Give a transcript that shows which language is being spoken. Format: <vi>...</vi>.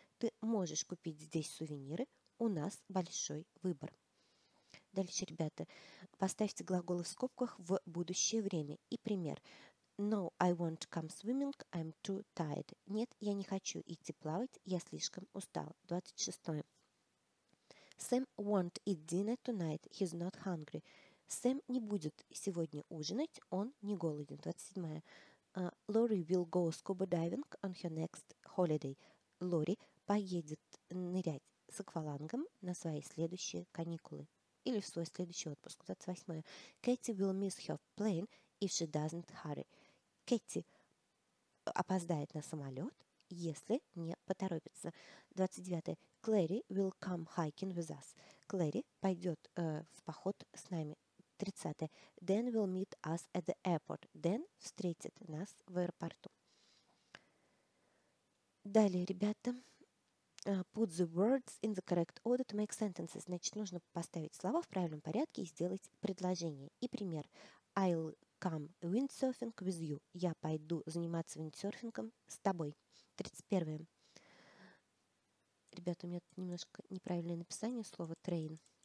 <ru>Ты можешь купить здесь сувениры, у нас большой выбор. Дальше, ребята, поставьте глаголы в скобках в будущее время. И пример.</ru> <en>No, I won't come swimming, I'm too tired.</en> <ru>Нет, я не хочу идти плавать, я слишком устал. 26.</ru> <en>Sam won't eat dinner tonight, he's not hungry.</en> <ru>Сэм не будет сегодня ужинать, он не голоден.</ru> <en>27. Лори will go scuba diving on her next holiday.</en> <ru>Лори поедет нырять с аквалангом на свои следующие каникулы или в свой следующий отпуск.</ru> <en>28. Кэти will miss her plane if she doesn't hurry.</en> <ru>Кэти опоздает на самолет, если не поторопится.</ru> <en>29. Клэри will come hiking with us.</en> <ru>Клэри пойдет в поход с нами.</ru> <en>30. Dan will meet us at the airport.</en> <ru>Dan встретит нас в аэропорту. Далее, ребята,</ru> <en>Put the words in the correct order to make sentences.</en> <ru>Значит, нужно поставить слова в правильном порядке и сделать предложение. И пример.</ru> <en>I'll come windsurfing with you.</en> <ru>Я пойду заниматься windsurfing'ом с тобой. 31. Ребята, у меня тут немножко неправильное написание слова train.</ru>